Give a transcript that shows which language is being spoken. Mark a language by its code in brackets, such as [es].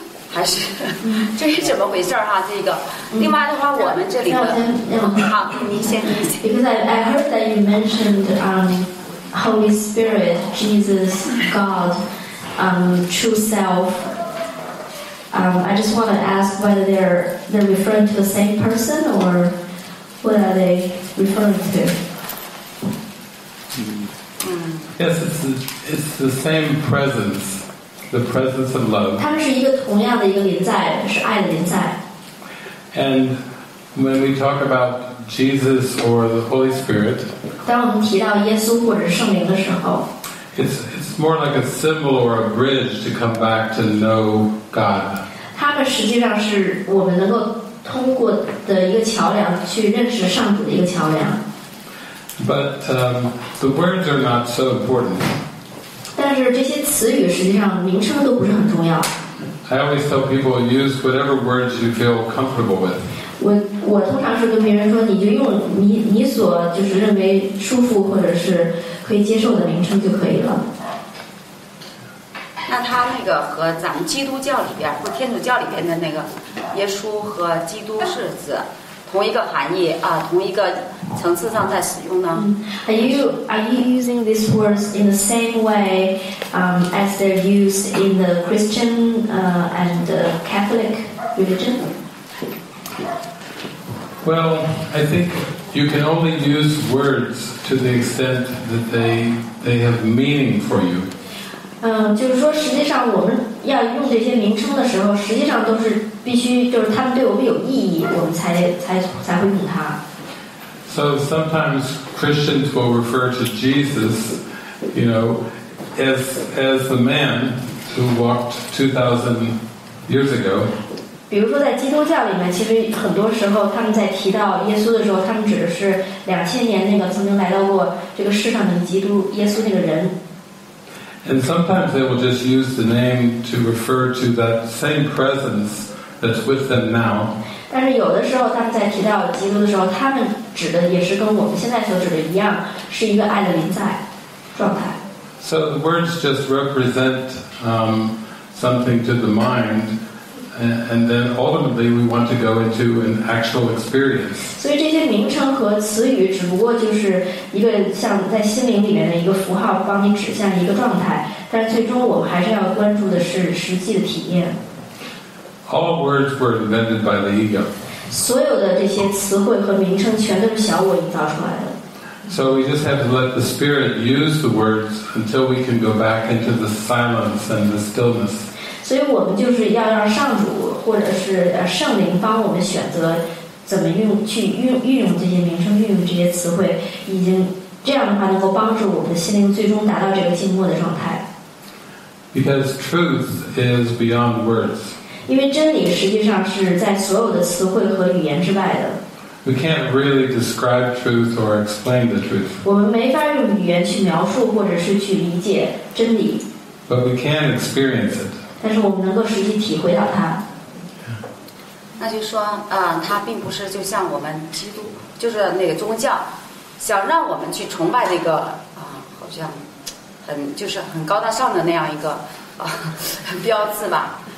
[zh] 还是这是怎么回事哈、啊？这个，另外的话，我们这里的好，您先。 [en] Because I heard that you mentioned Holy Spirit, Jesus, God, true self. I just want to ask whether they're referring to the same person or what are they referring to? Yes, it's the same presence, the presence of love. [zh] 它是一个同样的一个临在，是爱的临在。 [en] And when we talk about Jesus or the Holy Spirit, [zh] 当我们提到耶稣或者圣灵的时候， [en] it's more like a symbol or a bridge to come back to know God. [zh] 它们实际上是我们能够通过的一个桥梁，去认识上帝的一个桥梁。 [en] But the words are not so important. [zh] 但是这些词语实际上名称都不是很重要。 [en] I always tell people use whatever words you feel comfortable with. [zh] 我通常是跟别人说，你就用你所就是认为舒服或者是可以接受的名称就可以了。那他那个和咱们基督教里边或天主教里边的那个耶稣和基督是指同一个含义啊，同一个层次上在使用呢。 [en] Are you using these words in the same way, as they're used in the Christian, and Catholic religion? Well, I think you can only use words to the extent that they have meaning for you. [zh] 就是说，实际上我们要用这些名称的时候，实际上都是必须，就是他们对我们有意义，我们才会用它。 [en] So sometimes Christians will refer to Jesus, you know, as the man who walked 2,000 years ago. [zh] 比如说在基督教里面，其实很多时候他们在提到耶稣的时候，他们指的是2000年那个曾经来到过这个世上的基督耶稣那个人。 [en] And sometimes they will just use the name to refer to that same presence that's with them now. [zh] 但是有的时候他们在提到基督的时候，他们指的也是跟我们现在所指的一样，是一个爱的临在状态。 [en] So the words just represent something to the mind, and then ultimately we want to go into an actual experience. [zh] 所以这些名称和词语只不过就是一个像在心灵里面的一个符号，帮你指向一个状态，但最终我们还是要关注的是实际的体验。 [en] All words were invented by the ego. [zh] 所有的这些词汇和名称全都是小我营造出来的。 [en] So we just have to let the spirit use the words until we can go back into the silence and the stillness. [zh] 所以我们就是要让上主或者是圣灵帮我们选择怎么用去运用这些名称，运用这些词汇，已经这样的话能够帮助我们的心灵最终达到这个静默的状态。 [en] Because truth is beyond words. [zh] 因为真理实际上是在所有的词汇和语言之外的。 [en] We can't really describe truth or explain the truth. [zh] 我们没法用语言去描述或者是去理解真理。 [en] But we can experience it. [zh] 但是我们能够实际体会到它。那就说，它并不是就像我们基督，就是那个宗教，想让我们去崇拜那个好像很就是很高大上的那样一个标志吧。